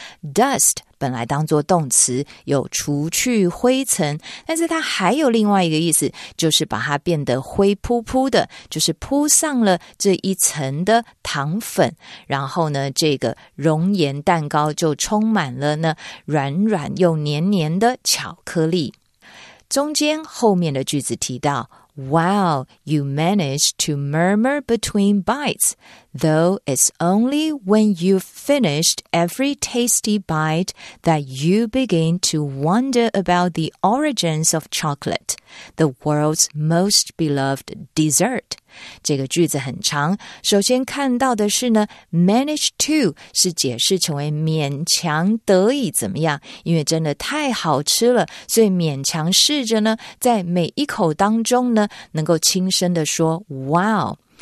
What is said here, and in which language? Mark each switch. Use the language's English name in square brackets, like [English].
[Chinese] Dust 本来当作动词有除去灰尘，但是它还有另外一个意思，就是把它变得灰扑扑的，就是铺上了这一层的糖粉，然后呢这个熔岩蛋糕就充满了呢软软又黏黏的巧克力。中间后面的句子提到 [English] Wow, you managed to murmur between bites, though it's only when you've finished every tasty bite that you begin to wonder about the origins of chocolate. the world's most beloved dessert. [Chinese] 这个句子很长，首先看到的是呢 ,manage to 是解释成为勉强得以怎么样，因为真的太好吃了，所以勉强试着呢在每一口当中呢能够轻声地说 wow。